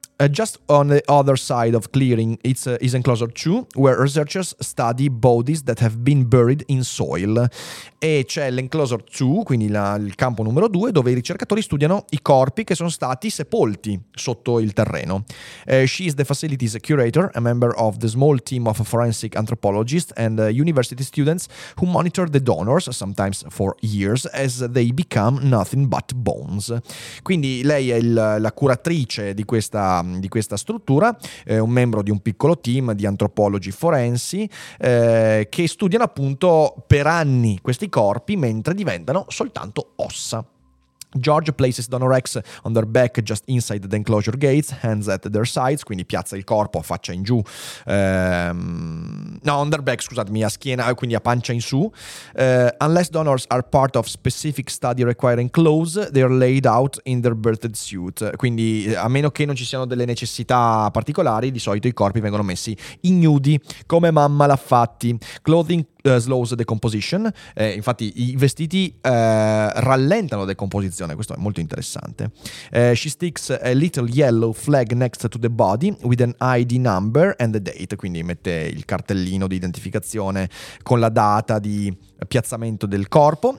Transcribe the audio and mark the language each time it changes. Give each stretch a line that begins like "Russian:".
English: Just on the other side of clearing, it's enclosure 2, where researchers study bodies that have been buried in soil.
Italian: E c'è l'enclosure 2, quindi il campo numero 2, dove i ricercatori studiano i corpi che sono stati sepolti sotto il terreno.
English: She is the facility's curator, a member of the small team of forensic anthropologists and university students who monitor the donors, sometimes for years, as they become nothing but bones.
Italian: Quindi lei è la curatrice di questa struttura, un membro di un piccolo team di antropologi forensi che studiano appunto per anni questi corpi mentre diventano soltanto ossa.
English: George places Donor X on their back just inside the enclosure gates, hands at their sides.
Italian: Quindi piazza il corpo a faccia in giù,
English: on their back,
Italian: scusatemi, a schiena, quindi a pancia in su.
English: Unless donors are part of specific study requiring clothes, they are laid out in their birthed suit.
Italian: Quindi a meno che non ci siano delle necessità particolari, di solito i corpi vengono messi ignudi, come mamma l'ha fatti.
English: Clothing slows decomposition,
Italian: infatti i vestiti rallentano la decomposizione, questo è molto interessante.
English: She sticks a little yellow flag next to the body with an ID number and the date,
Italian: quindi mette il cartellino di identificazione con la data di piazzamento del corpo.